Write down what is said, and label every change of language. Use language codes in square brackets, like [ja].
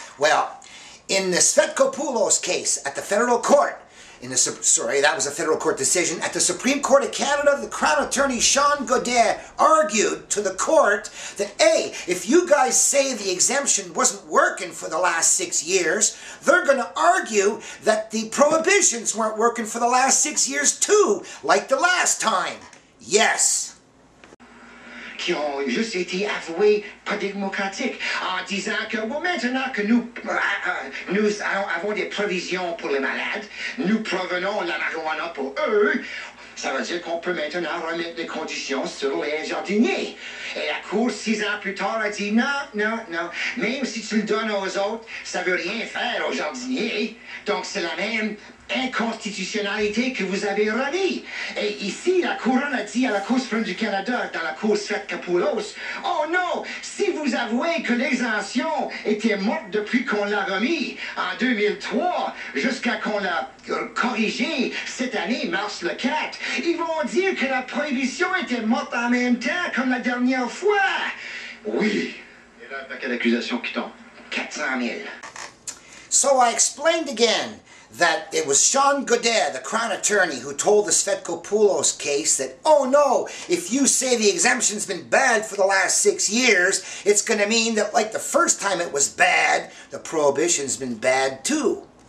[en] Well, in the Svetkopoulos case at the federal court, at the Supreme Court of Canada, the Crown Attorney Sean Godet argued to the court that, hey, if you guys say the exemption wasn't working for the last 6 years, they're going to argue that the prohibitions weren't working for the last 6 years too, like the last time. Yes. [fr] Qui ont juste été avoués pas démocratiques en disant que bon, maintenant que nous avons des provisions pour les malades, nous provenons la marijuana pour eux, ça veut dire qu'on peut maintenant remettre des conditions sur les jardiniers. Et la Cour, 6 ans plus tard, a dit non, non, non, même si tu le donnes aux autres, ça veut rien faire aux jardiniers. Donc c'est la même inconstitutionnalité que vous avez remis. Et ici, la Couronne a dit à la Cour suprême du Canada, dans la Cour Svetkopoulos, « Oh non, si vous avouez que l'exemption était morte depuis qu'on l'a remis en 2003, jusqu'à qu'on l'a corrigée cette année, mars le 4, ils vont dire que la prohibition était morte en même temps comme la dernière fois. » Oui. Et là, quelle accusation qui tombe? 400 000. [en] So I explained again that it was Sean Godet, the Crown Attorney, who told the Svetkopoulos case that, oh no, if you say the exemption's been bad for the last 6 years, it's going to mean that like the first time it was bad, the prohibition's been bad too.